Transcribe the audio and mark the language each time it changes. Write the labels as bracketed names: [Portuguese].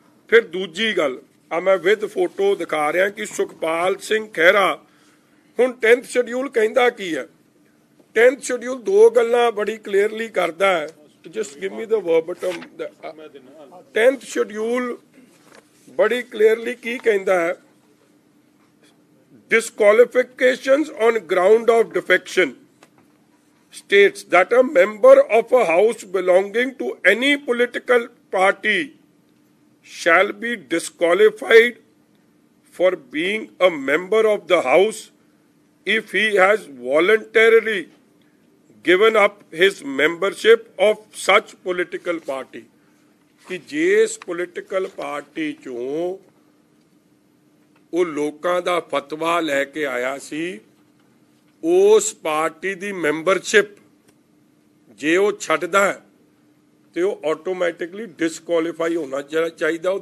[Punjabi] ਫਿਰ ਦੂਜੀ ਗੱਲ, ਆ ਮੈਂ ਵਿਦ ਫੋਟੋ ਦਿਖਾ ਰਿਹਾ ਕਿ ਸੁਖਪਾਲ ਸਿੰਘ ਖਹਿਰਾ ਹੁਣ 10th ਸ਼ਡਿਊਲ ਕਹਿੰਦਾ ਕੀ ਹੈ। 10th ਸ਼ਡਿਊਲ ਦੋ ਗੱਲਾਂ ਬੜੀ ਕਲੀਅਰਲੀ ਕਰਦਾ ਹੈ। [English] Just give me the verbatim. [Punjabi] 10th ਸ਼ਡਿਊਲ ਬੜੀ ਕਲੀਅਰਲੀ ਕੀ ਕਹਿੰਦਾ ਹੈ? [English] Disqualifications on ground of defection states that a member of a house belonging to any political party shall be disqualified for being a member of the house if he has voluntarily given up his membership of such political party. [Punjabi] ਕਿ ਜੇ ਇਸ political party ਚੋਂ ਉਹ ਲੋਕਾਂ ਦਾ ਫਤਵਾ ਲੈ ਕੇ ਆਇਆ ਸੀ, ਉਸ party ਦੀ membership ਜੇ ਉਹ ਛੱਡਦਾ ਤੇ ਉਹ ਆਟੋਮੈਟਿਕਲੀ ਡਿਸਕੁਆਲੀਫਾਈ ਹੋਣਾ ਚਾਹੀਦਾ।